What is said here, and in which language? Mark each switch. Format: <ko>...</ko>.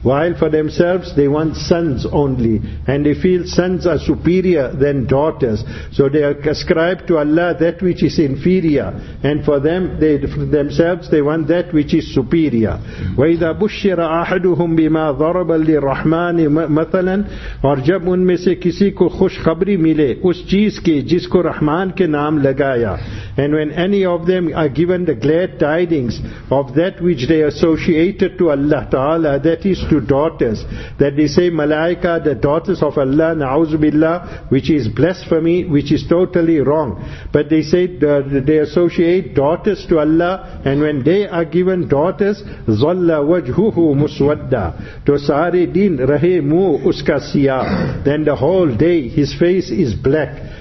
<en>While for themselves, they want sons only. And they feel sons are superior than daughters. So they ascribe to Allah that which is inferior, and for them, they for themselves, they want that which is superior.</en> <ar>وَإِذَا بُشِّرَ أَحَدُهُمْ بِمَا ضَرَبَ لِلرَّحْمَنِ مَثَلًا.</ar> <ur>اور جب ان میں سے کسی کو خوشخبری ملے اس چیز کی جس کو رحمان کے نام لگایا.</ur> <en>And when any of them are given the glad tidings of that which they associated to Allah Ta'ala, that is to daughters, that they say, Malaika, the daughters of Allah,</en> <ar>na'uzu billah,</ar> <en>which is blasphemy, which is totally wrong. But they say they associate daughters to Allah, and when they are given daughters,</en> <ar>zalla wajhuhu muswadda,</ar> <ur>to sari din rahe mu uska siya,</ur> <en>then the whole day his face is black.</en>